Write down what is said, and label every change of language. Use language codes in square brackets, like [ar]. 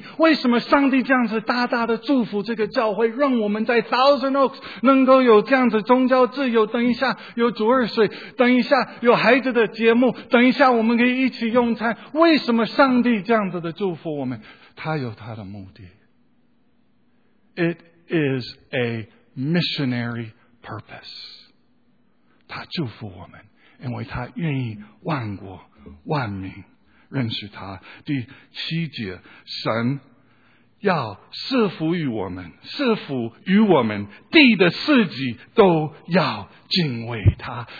[zh] 为什么上帝这样子大大的祝福这个教会，让我们在 Thousand Oaks 能够有这样子宗教自由？等一下有主日水，等一下有孩子的节目，等一下我们可以一起用餐。为什么上帝这样子的祝福我们？他有他的目的。 [en] It is a missionary purpose. [zh] 他祝福我们，因为他愿意万国万民认识他。第七节，神要赐福于我们，赐福于我们，地的四极都要敬畏他。